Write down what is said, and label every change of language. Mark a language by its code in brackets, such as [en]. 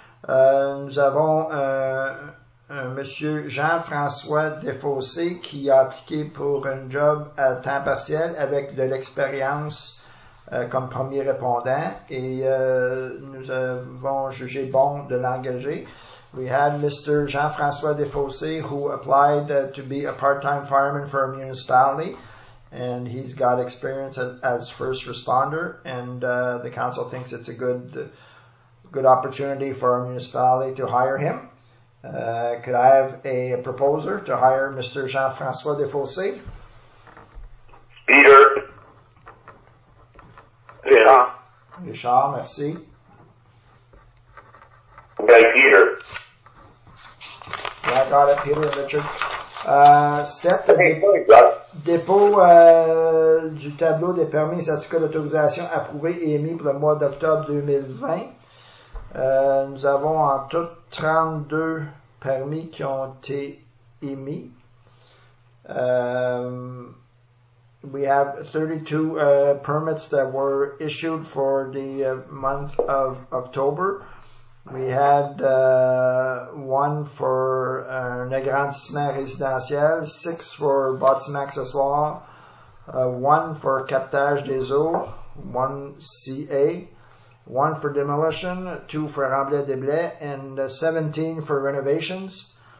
[fr] Nous avons un monsieur Jean-François Desfossé qui a appliqué pour un job à temps partiel avec de l'expérience comme premier répondant, et nous avons jugé bon de l'engager. [en] We had Mr. Jean-François Desfossé, who applied to be a part-time fireman for a municipality, and he's got experience as first responder, and the council thinks it's a good opportunity for a municipality to hire him. Could I have a proposer to hire Mr. Jean-François Desfossé? Peter. [fr] Richard, merci. [en] Okay, Peter. Do I have a got it, Peter and Richard. [fr] Sept, dépôt du tableau des permis et certificats d'autorisation approuvés et émis pour le mois d'octobre 2020. Nous avons en tout 32 permis qui ont été émis. [en] We have 32 permits that were issued for the month of October. We had one for [fr] un agrandissement résidentiel, [en] six for [fr] bâtiment accessoire, [en] one for [fr] captage des eaux, [en] one CA, one for demolition, two for [fr] remblai des blés, [en] and 17 for renovations.